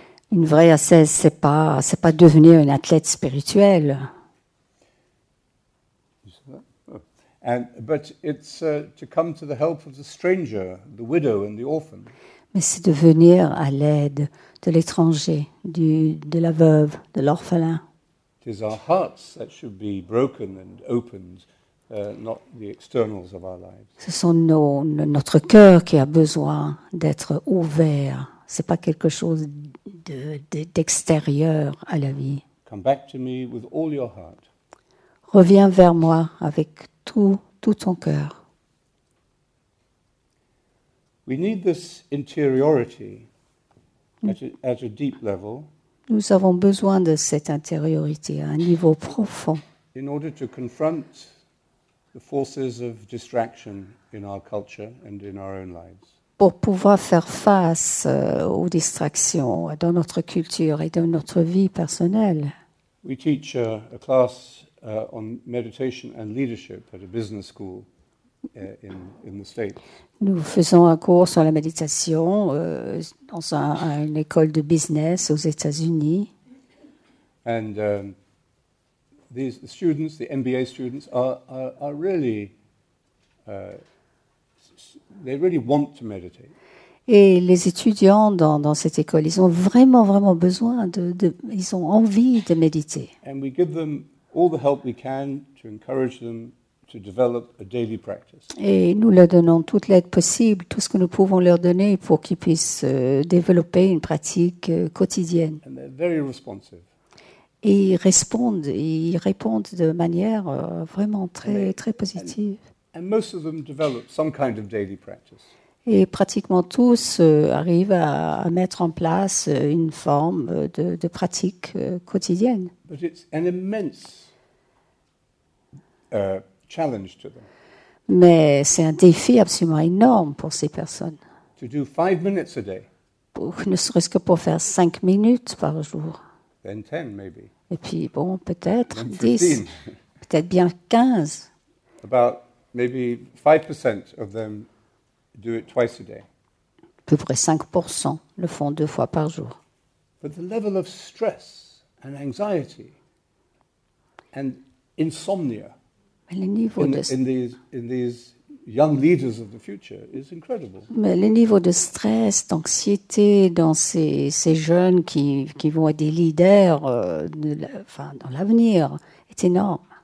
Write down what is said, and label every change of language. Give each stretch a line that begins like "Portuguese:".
French: Une vraie ascèse, c'est pas devenir un athlète spirituel.
English: But it's to come to the help of the stranger, the widow and the orphan.
French: Mais c'est de venir à l'aide de l'étranger, de la veuve, de l'orphelin.
English: It is our hearts that should be broken and opened, not the externals of our lives.
French: Ce sont notre cœur qui a besoin d'être ouvert. C'est pas quelque chose d'extérieur à la vie.
English: Come back to me with all your heart.
French: Reviens vers moi avec tout ton cœur.
English: We need this interiority at a deep level.
French: Nous avons besoin de cette intériorité à un niveau profond.
English: In order to confront the forces of distraction in our culture and in our own lives.
French: Pour pouvoir faire face aux distractions dans notre culture et dans notre vie personnelle.
English: We teach a class on meditation and leadership at a business school in the States.
French: Nous faisons un cours sur la méditation dans une école de business aux États-Unis.
English: And these students, the MBA students, are really they really want to meditate.
French: Et les étudiants dans cette école, ils ont vraiment, vraiment besoin de ils ont envie de méditer.
English: And we give them all the help we can to encourage them to develop a daily practice.
French: Et nous leur donnons toute l'aide possible, tout ce que nous pouvons leur donner pour qu'ils puissent développer une pratique quotidienne.
English: And they're very responsive.
French: Et ils répondent de manière vraiment très, très positive.
English: And most of them develop some kind of daily practice.
French: Et pratiquement tous arrivent à mettre en place une forme de pratique quotidienne.
English: But it's an immense, challenge to them.
French: Mais c'est un défi absolument énorme pour ces personnes.
English: To do 5 minutes a day.
French: Ne serait-ce que pour faire 5 minutes par jour.
English: Then 10, maybe.
French: Et puis, bon, peut-être 10, peut-être bien 15.
English: About maybe 5% of them do it twice a day.
French: À peu près 5% le font 2 fois par jour.
English: But the level of stress and anxiety and insomnia
French: Mais le niveau de stress, d'anxiété dans ces jeunes qui vont être des leaders dans l'avenir est énorme.